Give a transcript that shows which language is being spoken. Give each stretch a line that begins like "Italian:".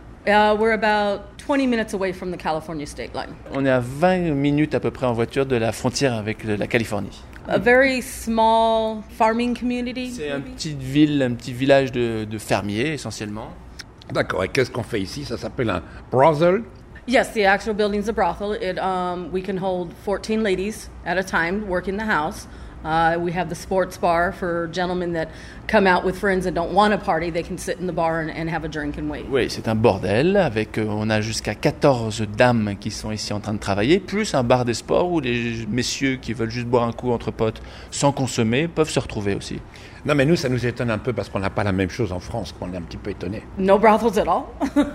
English: We're about 20 minutes away from the California state line.
French: On est à 20 minutes à peu près en voiture de la frontière avec la Californie.
English: A very small farming community.
French: C'est une petite ville, un petit village de fermiers essentiellement. D'accord. Et qu'est-ce qu'on fait ici? Ça s'appelle un brothel.
English: Yes, the actual building is a brothel. It we can hold 14 ladies at a time working the house. We have the sports bar for gentlemen that come out with friends and don't want a party. They can sit in the bar and have a drink and wait.
French: Oui, c'est un bordel. Avec, on a jusqu'à 14 dames qui sont ici en train de travailler, plus un bar de sport où les messieurs qui veulent juste boire un coup entre potes sans consommer peuvent se retrouver aussi. Non, mais nous, ça nous étonne un peu parce qu'on n'a pas la même chose en France, qu'on est un petit peu étonnés.
English: No brothels at all.